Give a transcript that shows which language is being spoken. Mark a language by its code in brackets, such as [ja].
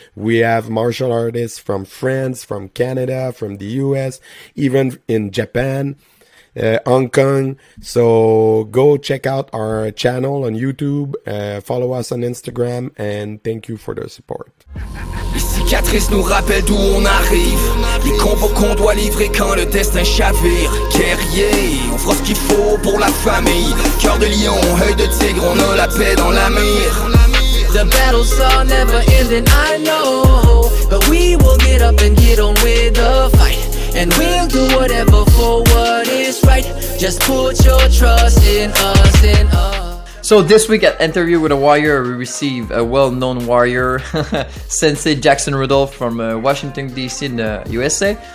[en] We have martial artists from France, from Canada, from the US, even in Japan, Hong Kong. So go check out our channel on YouTube, follow us on Instagram, and thank you for the support. [fr] Les cicatrices nous rappellent d'où on arrive. Les combos qu'on doit livrer quand le destin chavire. Guerrier, on fera ce qu'il faut pour la famille. Cœur de lion, œil de tigre, on a la paix dans la mire. [en] The battles are never ending, I know. But we will get up and get on with the fight. And we'll do whatever for what is right. Just put your trust in us, in us. So this week at Interview with a Wire, we receive a well-known warrior, Sensei Jackson Rudolph from Washington, D.C. in the USA.